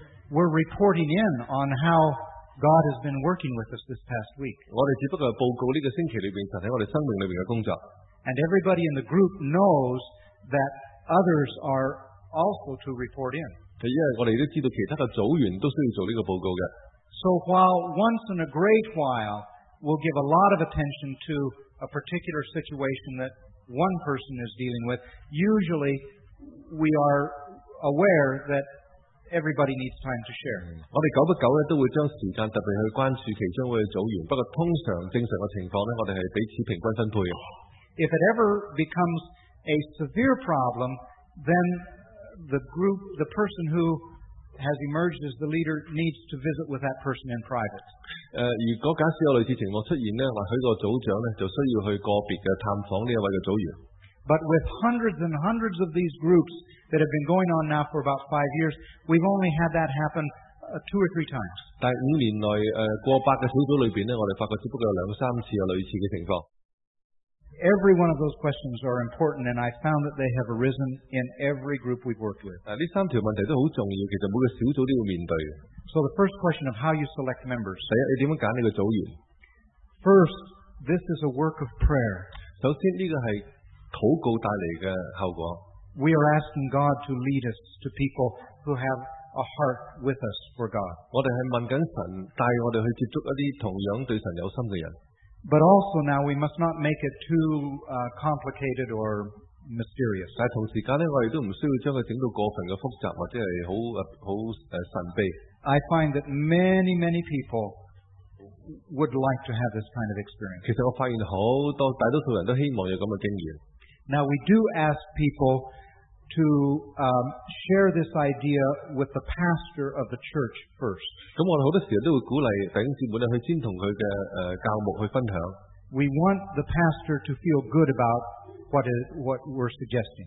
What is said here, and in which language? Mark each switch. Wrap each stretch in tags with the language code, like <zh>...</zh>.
<en>We're reporting in on how God has been working with us this past week.</en> <yue>我哋只不過報告呢個星期裏邊神喺我哋生命裏邊嘅工作。</yue> <en>And everybody in the group knows that others are also to report in.</en> <yue>係因為我哋都知道其他嘅組員都需要做呢個報告嘅。</yue> <en>So while once in a great while we'll give a lot of attention to a particular situation that one person is dealing with, usually we are aware that. Everybody needs time to share.</en> <yue>我哋久不久都會將時間特別去關注其中一位組員。不過通常正常嘅情況我哋係彼此平均分配。</yue> <en>If it ever becomes a severe problem, then the group, the person who has emerged as the leader, needs to visit with that person in private.</en> <yue>如果假設有類似情況出現咧，或許個組長咧就需要去個別嘅探訪呢一位嘅組員。</yue> <en>But with hundreds and hundreds of these groups that have been going on now for about 5 years, we've only had that happen two or three times.</en> <yue>但五年内过百个小组里边咧，我哋发觉只不过有两三次有类似嘅情况。</yue> <en>Every one of those questions are important, and I found that they have arisen in every group we've worked with.</en> <yue>呢三条问题都好重要，其实每个小组都要面对。</yue> <en>So the first question of how you select members.</en> <yue>第一，你点样拣你个组员</yue> <en>？First, this is a work of prayer.</en> <yue>首先呢个系。祷告带来的后果。</yue> <en>We are asking God to lead us to people who have a heart with us for God.</en> <yue>我哋系问紧神带我哋去接触一啲同样对神有心嘅人。</yue> <en>But also now we must not make it too complicated or mysterious.</en> <yue>但同时间咧，我哋都唔需要将佢整到过分嘅复杂或者系好神秘。</yue> <en>I find that many, many people would like to have this kind of experience.</en> <yue>其实我发现好多大多数人都希望有咁嘅经验。</yue> <en>Now we do ask people to share this idea with the pastor of the church first.</en> <yue>咁我哋好多时候都会鼓励弟兄姊妹咧，去先同佢嘅教牧去分享。</yue> <en>We want the pastor to feel good about what we're suggesting.</en>